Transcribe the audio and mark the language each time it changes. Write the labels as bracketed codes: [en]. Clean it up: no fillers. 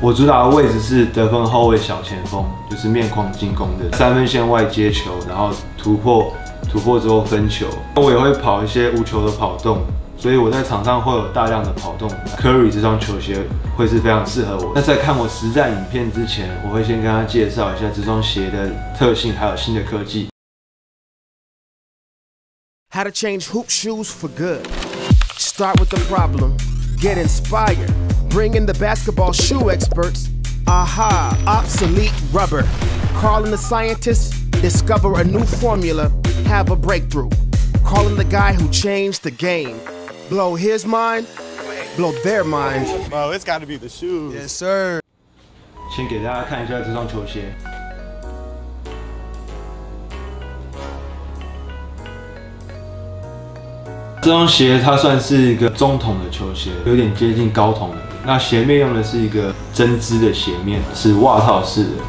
[zh] 我主打的位置是得分后卫小前锋，就是面框进攻的三分线外接球，然后突破之后分球。我也会跑一些无球的跑动。所以我在场上会有大量的跑动， Curry 这双球鞋会是非常适合我。那在看我实战影片之前，我会先跟他介绍一下这双鞋的特性还有新的科技。 [en] How to change hoop shoes for good. Start with the problem. Get inspired. Bring in the basketball shoe experts. Aha, obsolete rubber. Call in the scientists. Discover a new formula. Have a breakthrough. Call in the guy who changed the game. Blow his mind, blow their mind. Well, it's gotta be the shoes. Yes, sir. [zh] 先给大家看一下这双球鞋。这双鞋它算是一个中筒的球鞋，有点接近高筒的。那鞋面用的是一个针织的鞋面，是袜套式的。